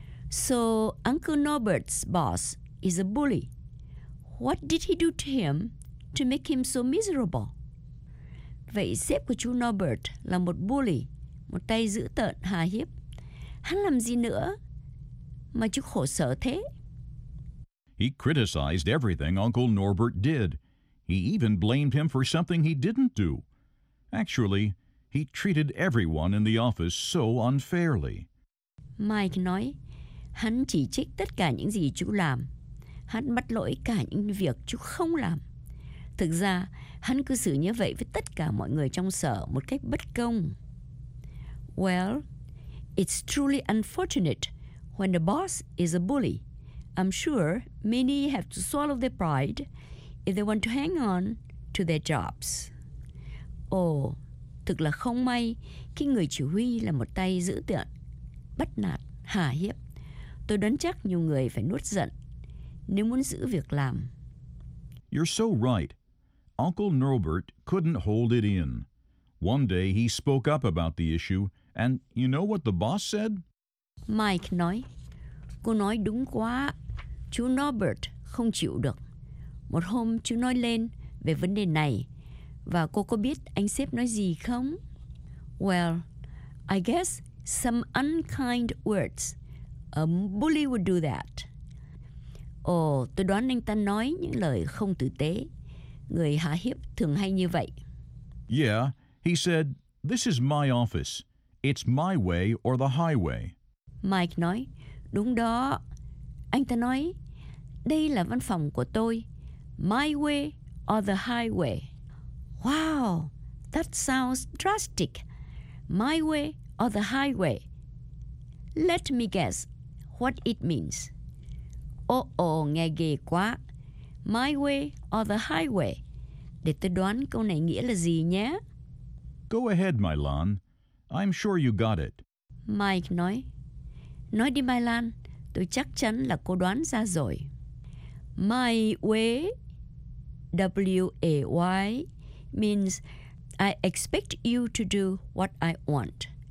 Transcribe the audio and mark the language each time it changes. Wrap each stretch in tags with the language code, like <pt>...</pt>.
<en>So Uncle Norbert's boss is a bully. What did he do to him to make him so miserable?</en> <vi>Vậy sếp của chú Norbert là một bully, một tay dữ tợn hà hiếp. Hắn làm gì nữa mà chú khổ sở thế?</vi> <en>He criticized everything Uncle Norbert did. He even blamed him for something he didn't do. Actually, he treated everyone in the office so unfairly.</en> <vi>Mike nói, hắn chỉ trích tất cả những gì chú làm. Hắn bắt lỗi cả những việc chú không làm. Thực ra, hắn cư xử như vậy với tất cả mọi người trong sở một cách bất công.</vi> <en>Well, it's truly unfortunate when the boss is a bully. I'm sure many have to swallow their pride if they want to hang on to their jobs.</en> <vi>Ồ, thực là không may khi người chỉ huy là một tay dữ tợn, bắt nạt, hà hiếp. Tôi đoán chắc nhiều người phải nuốt giận nếu muốn giữ việc làm.</vi> <en>You're so right. Uncle Norbert couldn't hold it in. One day he spoke up about the issue, and you know what the boss said?</en> <vi>Mike nói, cô nói đúng quá, chú Norbert không chịu được. Một hôm chú nói lên về vấn đề này, và cô có biết anh sếp nói gì không?</vi> <en>Well, I guess some unkind words. A bully would do that.</en> <vi>Ồ, tôi đoán anh ta nói những lời không tử tế. Người hạ hiếp thường hay như vậy.</vi> <en>Yeah, he said, this is my office. It's my way or the highway.</en> <vi>Mike nói, đúng đó. Anh ta nói, đây là văn phòng của tôi.</vi> <en>My way or the highway. Wow, that sounds drastic. My way or the highway. Let me guess what it means.</en> <vi>Oh, nghe ghê quá.</vi> <en>My way or the highway.</en> <vi>Để tôi đoán câu này nghĩa là gì nhé.</vi> <en>Go ahead, Mylan. I'm sure you got it.</en> <vi>Mike nói. Nói đi, Mylan. Tôi chắc chắn là cô đoán ra rồi.</vi> <en>My way, W-A-Y, means I expect you to do what I want.</en>